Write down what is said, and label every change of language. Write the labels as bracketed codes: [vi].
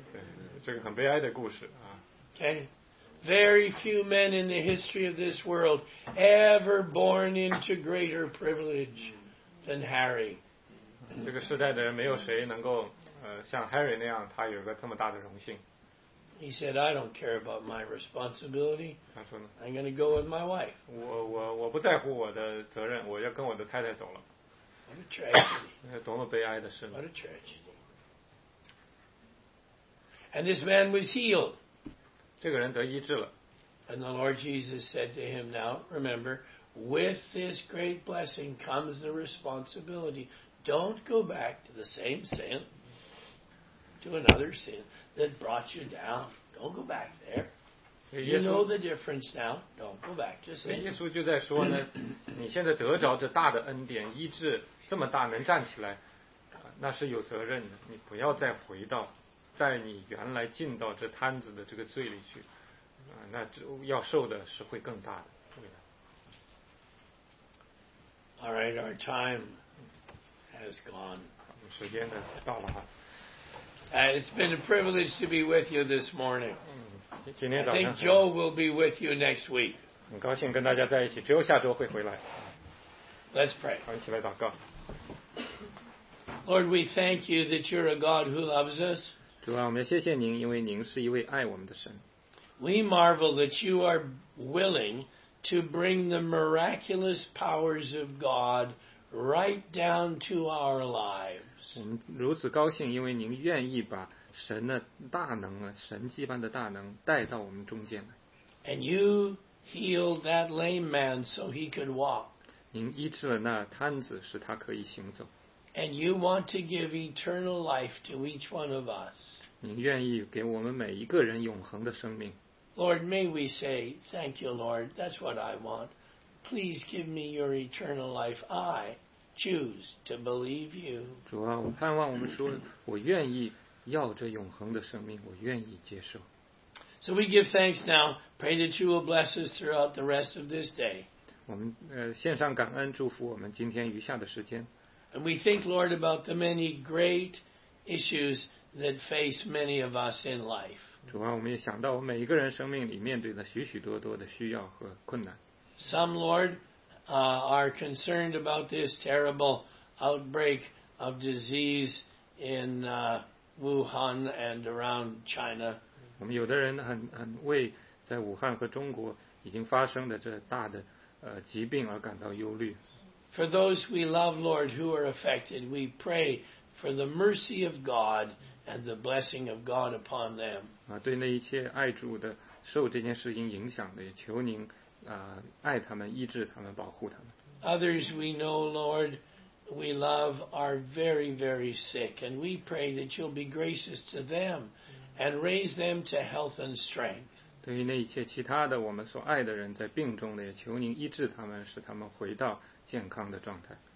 [zh] 对，这个很悲哀的故事啊。 [en] Okay. Very few men in the history of this world ever born into greater privilege than Harry. [zh] 这个时代的人没有谁能够像 Harry 那样，他有个这么大的荣幸。 [en] He said, I don't care about my responsibility. [zh] 他说呢, [en] I'm going to go with my wife. [zh] 我不在乎我的责任，我要跟我的太太走了。 [en] What a tragedy. [zh] 多么悲哀的事。 [en] What a tragedy. And this man was healed. [zh] 这个人得医治了。 [en] And the Lord Jesus said to him, now remember, with this great blessing comes the responsibility. Don't go back to the same sin. To another sin that brought you down. Don't go back there. You know the difference now. Don't go back to sin. [zh] 耶稣就在说呢，你现在得着这大的恩典，医治这么大，能站起来，那是有责任的。你不要再回到，带你原来进到这摊子的这个罪里去，那要受的是会更大的。 [en] All right, our time has gone. [zh] 时间呢到了哈。 [en] It's been a privilege to be with you this morning. [zh] 今天早上 [en] I think Joe will be with you next week. [zh] 很高兴跟大家在一起，只有下周会回来。 [en] Let's pray. [zh] 我们一起来祷告。 [en] Lord, we thank you that you're a God who loves us. [zh] 主啊，我们谢谢您，因为您是一位爱我们的神。 [en] We marvel that you are willing to bring the miraculous powers of God right down to our lives. [zh] 我们如此高兴，因为您愿意把神的大能啊，神迹般的大能带到我们中间来。 [en] And you healed that lame man so he could walk. [zh] 您医治了那瘫子，使他可以行走。 [en] And you want to give eternal life to each one of us. [zh] 您愿意给我们每一个人永恒的生命。 [en] Lord, may we say, thank you, Lord, that's what I want. Please give me your eternal life. I choose to believe you. [zh] 主啊，我盼望我们说，我愿意要这永恒的生命，我愿意接受。 [en] So we give thanks now. Pray that you will bless us throughout the rest of this day. [zh] 我们献上感恩，祝福我们今天余下的时间。 [en] And we think, Lord, about the many great issues that face many of us in life. [zh] 主啊，我们也想到我们每一个人生命里面对的许许多多的需要和困难。 [en] Some, Lord. Are concerned about this terrible outbreak of disease in Wuhan and around China. [zh] 我们有的人很为在武汉和中国已经发生的这大的疾病而感到忧虑。 [en] For those we love, Lord, who are affected, we pray for the mercy of God and the blessing of God upon them. [zh] 啊，对那一切爱主的、受这件事情影响的，也求您啊、爱他们、医治他们、保护他们。 [en] Others we know, Lord, we love are very, very sick, and we pray that you'll be gracious to them and raise them to health and strength. [zh] 对于那一切其他的我们所爱的人在病中的，也求您医治他们，使他们回到健康的状态。